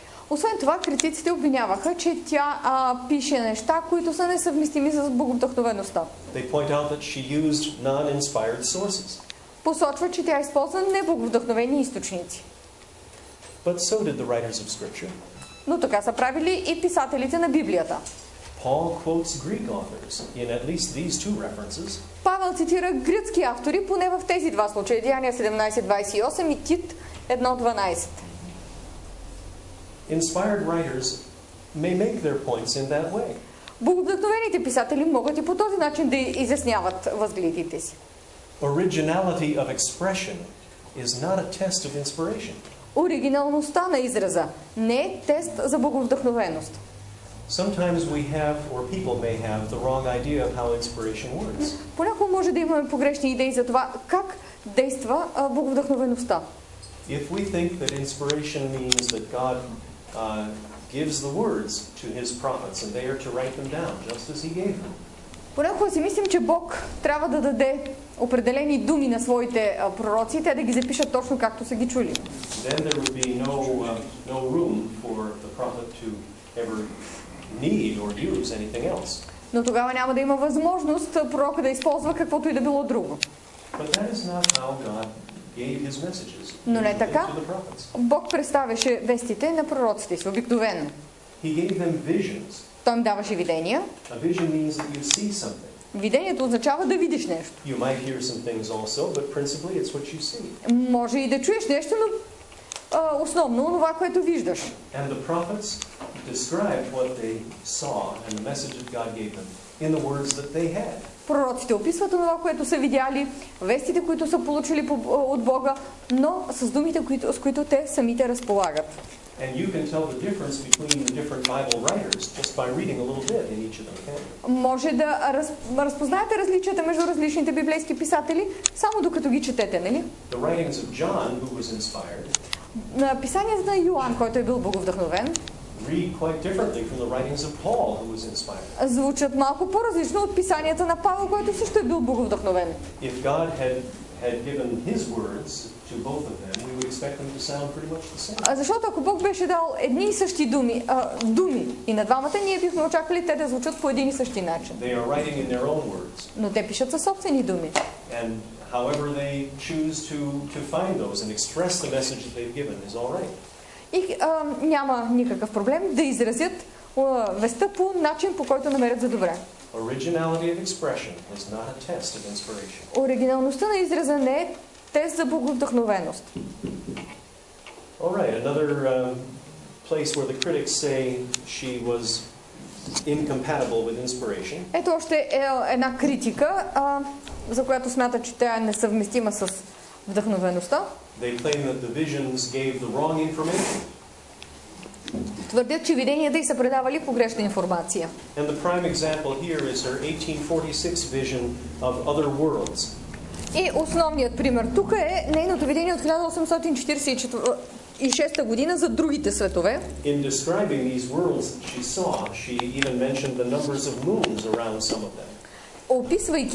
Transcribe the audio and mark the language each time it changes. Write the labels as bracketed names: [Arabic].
[Bulgarian] Освен това, критиците обвиняваха, че тя пише неща, които са несъвместими с богодъхновеността. [English] They point out that she used non-inspired sources. [Bulgarian] Посочва, че тя използва небогодъхновени източници. [English] But so did the writers of Scripture. [Bulgarian] Но така са правили и писателите на Библията. [English] Paul quotes Greek authors in at least these two references. [Bulgarian] Павел цитира гръцки автори поне в тези два случая, Деяния 17:28 и Тит 1:12. [English] Inspired writers may make their points in that way. [Bulgarian] Богодъхновените писатели могат и по този начин да изясняват възгледите си. [English] Originality of expression is not a test of inspiration. [Bulgarian] Оригиналността на израза не е тест за богодъхновеност. [English] Sometimes we have, or people may have, the wrong idea of how inspiration works. [Bulgarian] Понякога може да имаме погрешни идеи за това как действа богодъхновеността. [English] If we think that inspiration means that God gives the words to his prophets and they are to write them down just as he gave them. [Bulgarian] Понякога си мислим, че Бог трябва да даде определени думи на своите пророци, те да ги запишат точно както са ги чули. [English] Then there would be no room for the prophet to ever need or use anything else. [Bulgarian] Но тогава няма да има възможност пророка да използва каквото и да било друго. [English] But that is not how God gave his messages. [Bulgarian] Но не така. Бог представяше вестите на пророците си обикновено. [English] He gave them visions. [Bulgarian] Той им даваше видения. [English] A vision means that you see something. [Bulgarian] Видението означава да видиш нещо. [English] You might hear some things also, but principally it's what you see. [Bulgarian] Може и да чуеш нещо, но основно това, което виждаш. [English] And the prophets described what they saw and the message that God gave them in the words that they had. [Bulgarian] Пророците описват това, което са видяли, вестите, които са получили от Бога, но с думите, с които те самите разполагат. [English] And you can tell the difference between the different Bible writers just by reading a little bit in each of them. [Bulgarian] Може да разпознаете различията между различните библейски писатели само докато ги четете, нали? [English] The writings of John, who was inspired, [Bulgarian] на писания за Йоан, който е бил богодъхновен, [English] read quite differently from the writings of Paul, who was inspired. [Bulgarian] Звучат малко по-различно от писанията на Павел, който също е бил богодъхновен. [English] If God had given his words to both of them, we would expect them to sound pretty much the same. [Bulgarian] Защото ако Бог беше дал едни и същи думи и на двамата, ние бихме очаквали те да звучат по един и същи начин. [English] They are writing in their own words. [Bulgarian] Но те пишат със собствени думи. [English] And however they choose to find those and express the message that they've given is all right. [Bulgarian] И няма никакъв проблем да изразят веста по начин, по който намерят за добре. [English] Originality of expression is not a test of inspiration. [Bulgarian] Оригиналността на израза не е тест за Бога вдъхновеност. [English] All right, another place where the critics say she was incompatible with inspiration. [Bulgarian] Ето още една критика, за която смятат, че тя е несъвместима с вдъхновеността. [English] They claim that the visions gave the wrong information. [Bulgarian] Твърдят, че виденията й са предавали погрешна информация. [English] And the prime example here is her 1846 vision of other worlds. [Bulgarian] И основният пример тук е нейното видение от 1846 година за другите светове. [English] In describing these worlds she saw, she even mentioned the numbers of moons around some of them.